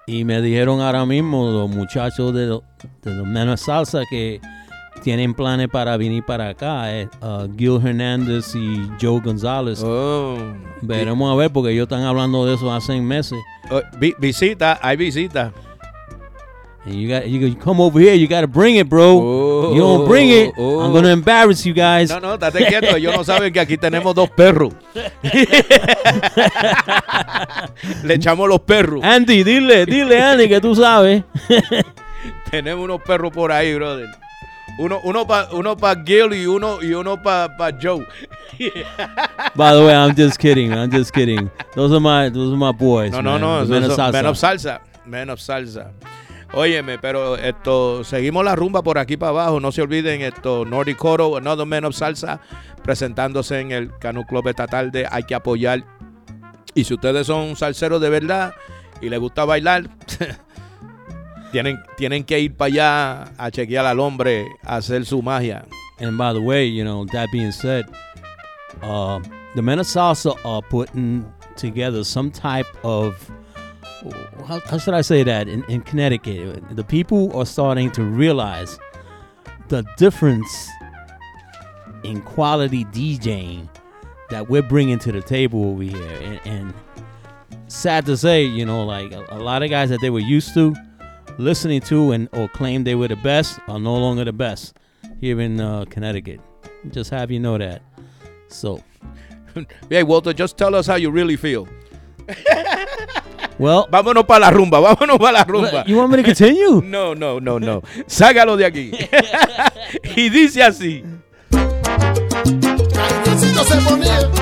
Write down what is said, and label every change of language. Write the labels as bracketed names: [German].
[Spanish] Y me dijeron ahora mismo los muchachos de los Menos Salsa que tienen planes para venir para acá, Gil Hernández y Joe González. Veremos a ver, porque ellos están hablando de eso hace meses. Hay visita. [English] And you come over here, you gotta bring it, bro. Oh, you don't bring it, oh. I'm gonna embarrass you guys. [Spanish] No, date quieto, ellos no saben que aquí tenemos dos perros. Le echamos los perros. Andy, dile Andy que tú sabes. Tenemos unos perros por ahí, brother. Uno pa Gil y uno pa Joe. [English] By the way, I'm just kidding. Those are my boys. No, Men of Salsa. [Spanish] Óyeme, pero esto, seguimos la rumba por aquí para abajo. No se olviden esto, Nordic Coro, Another Man of Salsa, presentándose en el Canoe Club esta tarde. Hay que apoyar Y si ustedes son salseros de verdad y les gusta bailar, tienen que ir para allá a chequear al hombre, a hacer su magia. [English] And by the way, you know, that being said, the men of Salsa are putting together some type of, how should I say that, in Connecticut. The people are starting to realize the difference in quality DJing that we're bringing to the table over here. And sad to say, you know, like a lot of guys that they were used to listening to and or claim they were the best are no longer the best here in Connecticut. Just have you know that. So, hey, Walter, just tell us how you really feel. Well, [Spanish] vámonos para la rumba, vámonos para la rumba. [English] You want me to continue? [Spanish] No. Sácalo de aquí. Y dice así. Cariñosito se ponía.